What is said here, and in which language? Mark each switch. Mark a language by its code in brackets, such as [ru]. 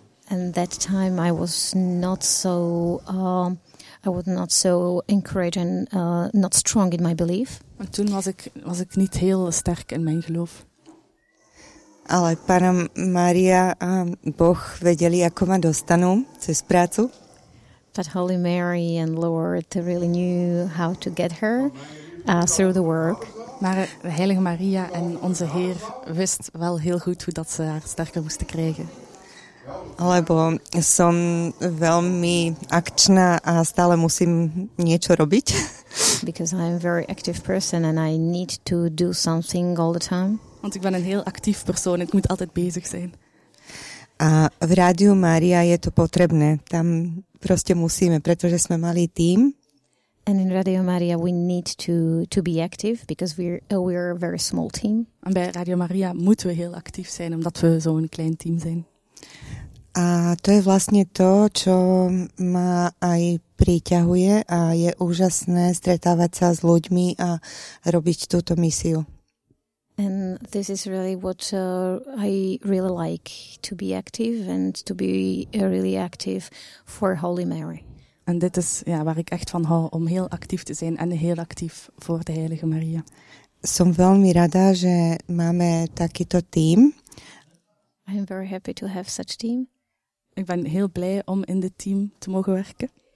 [en] and that time I was not so encouraged and not strong in my belief. [nl] En toen was ik niet heel sterk in mijn geloof. [sk] Ale Pana Maria a Boh vedeli, ako ma dostanú cez prácu. [en] But Holy Mary and Lord really knew how to get her through the work. [nl] Maar Heilige Maria en onze Heer wist wel heel goed hoe dat ze haar sterker moesten krijgen. [sk] Lebo som veľmi akčná a stále musím niečo robiť. [en] Because I'm a very active person and I need to do something all the time. [nl] Want ik ben een heel actief persoon, ik moet altijd bezig zijn. [sk] A v Rádiu Mária je to potrebné. Tam proste musíme, pretože sme mali tým. [en] And in Radio Maria we need to be active because we're a very small team. [nl] En bij Radio Maria moeten we heel actief zijn omdat we zo'n klein team zijn. [sk] A to je vlastne to, čo ma aj priťahuje a je úžasné stretávať sa s ľuďmi a robiť túto misiu. [en] And this is really what I really like, to be active and to be really active for Holy Mary. [nl] En dit is ja, waar ik echt van hou, om heel actief te zijn en heel actief voor de Heilige Maria. [sk] Som veľmi rada, že máme takýto tým. [en] I'm very happy to have such team. [nl] Ik ben heel blij om in dit team te mogen werken.